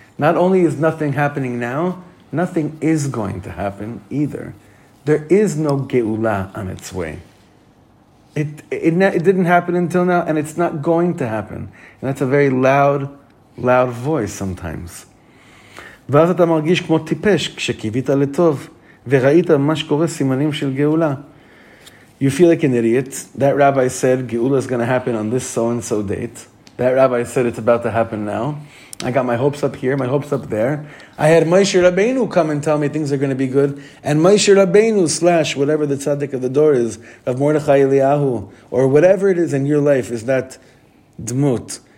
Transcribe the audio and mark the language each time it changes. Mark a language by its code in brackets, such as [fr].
[en] Not only is nothing happening now, nothing is going to happen either. There is no geula on its way. It didn't happen until now, and it's not going to happen. And that's a very loud, loud voice sometimes. [he] ואז אתה מרגיש כמו טיפש כשקיבית לטוב וראית מה שקורה סימנים של גאולה. [en] You feel like an idiot. That rabbi said, Geula is going to happen on this so-and-so date. That rabbi said, it's about to happen now. I got my hopes up here, my hopes up there. I had Moshe Rabbeinu come and tell me things are going to be good. And Moshe Rabbeinu / whatever the tzaddik of the door is, of Mordechai Eliyahu, or whatever it is in your life, is that dmut.